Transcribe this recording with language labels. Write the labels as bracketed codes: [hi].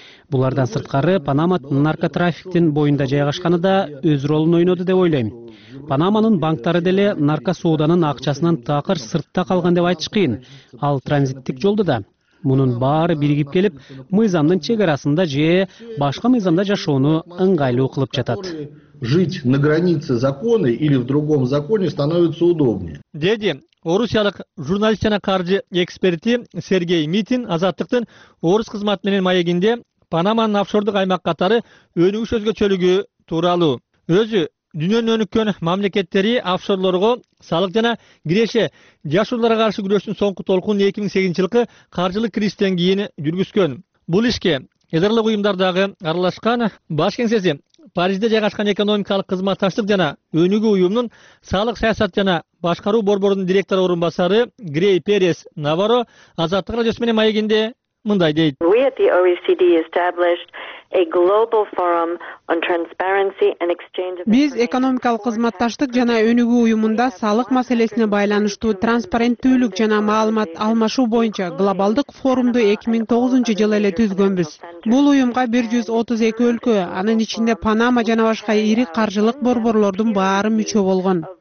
[ky] Булардан сырткары Панама наркотрафиктин боюнда жайгашканы да өз ролун ойноду деп ойлойм. Панаманын банктары деле наркосооданын акчасынан такыр сыртта калган деп айтыш кыйын. Ал транзиттик жолдо да. Мунун баары биригип келип, мыйзамдын чек арасында же башка мыйзамда жашоону ыңгайлуу кылып жатат. [ru] Жить на границе закона или в другом законе становится удобнее. [ky] Деди орусиялык журналист жана каржы эксперти Сергей Митин азаттыктын орус кызматы менен маегинде Панаманын офшордук аймак катары өнүгүш өзгөчөлүгү тууралуу. Өзү дүйнөнүн өнүккөн мамлекеттери офшорлорго салык жана киреше жашоолорго каршы күрөштүн соңку толкун 2008-жылкы каржылык кризистен кийин жүргүзгөн. Бул ишке эдарлык уюмдар дагы аралашкан. Баш кеңсеси Парижде жайгашкан экономикалык кызматташтык жана өнүгүү уюмунун салык саясат жана башкаруу борборунун директору орун басары Грей Перес Наваро азаттык радиосу менен маегинде мындай дейт. [en] We at the OECD established a global forum on transparency and exchange of. [ky] Биз экономикалык кызматташтык жана өнүгүү уюмунда салык маселесине байланыштуу транспаренттүүлүк жана маалымат алмашуу боюнча глобалдык форумду 2009-жылы эле түзгөнбүз. Бул уюмга 132 өлкө, анын ичинде Панама жана башка ири каржылык борборлордун баары мүчө болгон.